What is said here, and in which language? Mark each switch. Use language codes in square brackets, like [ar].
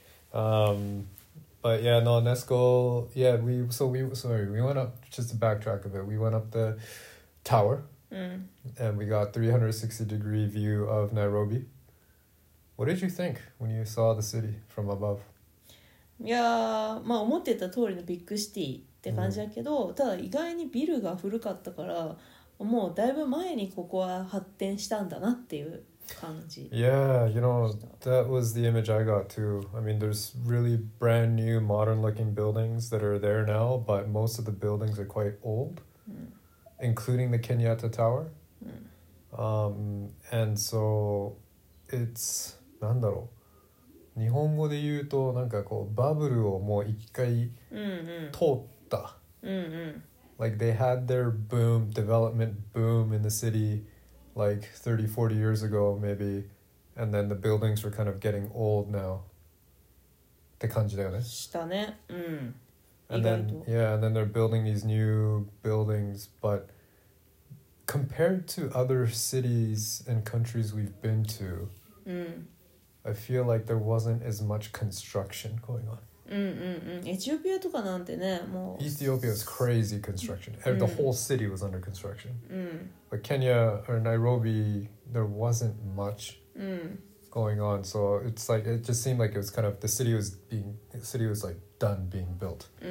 [en] But yeah, no, Nesco... Yeah, we went up... Just to backtrack a bit, we went up the tower. Mm. And we got 360 degree view of Nairobi. What did you think when you saw the city from above? [ja] Yeah, まあ思ってた通りのビッグシティって感じだけど、mm. ただ意外にビルが古かったから、もうだいぶ前にここは発展したんだなっていう感じ。 [en] Yeah, you know, that was the image I got too. I mean, there's really brand new modern looking buildings that are there now, but most of the buildings are quite old. Including the Kenyatta Tower. Mm. And so it's, [ja] 何だろう。日本語で言うと、なんかこう、バブルをもう一回通った。 [en] Like they had their boom, development boom in the city like 30, 40 years ago maybe. And then the buildings were kind of getting old now. [ja] って感じだよね。したね。うん。 [en] And then, yeah, and then they're building these new buildings, but compared to other cities and countries we've been to, I feel like there wasn't as much construction going on. [ja] Ethiopia とかなんてね、もう [en] Ethiopia is crazy construction. The whole city was under construction. But Kenya or Nairobi, there wasn't much going on. So it's like, it just seemed like it was kind of, the city was like, done being built.